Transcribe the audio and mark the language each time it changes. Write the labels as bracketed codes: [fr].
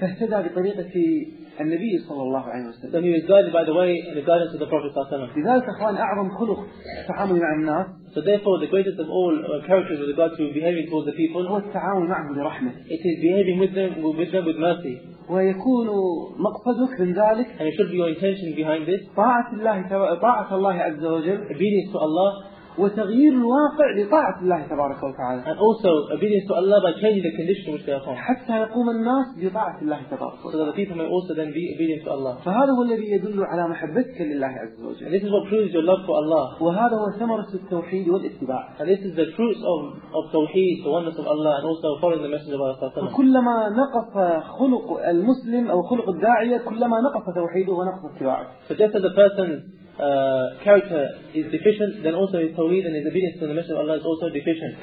[ar] فاهتدى بطريقة النبي صلى الله عليه وسلم. [en] Then he was guided by the way and the guidance of the Prophet صلى الله عليه وسلم. [ar] لذلك أخوان أعظم خلق تعامل مع الناس. [en] So therefore the greatest of all characters with regard to behaving towards the people. [ar] هو التعامل معهم برحمة. [en] It is behaving with them with mercy. [ar] ويكون مقصدك من ذلك. [en] And it should be your intention behind this. [ar] طاعة الله عز وجل. [en] Obedience to Allah. [ar] وتغيير الواقع لطاعة الله تبارك وتعالى. [en] And also obedience to Allah by changing the condition which they are from. [ar] حتى يقوم الناس بطاعة الله تبارك وتعالى. [en] So that the people may also then be obedient to Allah. [ar] فهذا هو الذي يدل على محبتك لله عز وجل. [en] And this is what proves your love for Allah. [ar] وهذا هو ثمرة التوحيد والاتباع. [en] And this is the fruits of توحيد, the oneness of Allah, and also following the messenger of Allah. [ar] فكلما نقص خلق المسلم أو خلق الداعية كلما نقص توحيده ونقص اتباعه. [en] So just as a person character is deficient, then also his tawheed and his obedience to the Messenger of Allah is also deficient.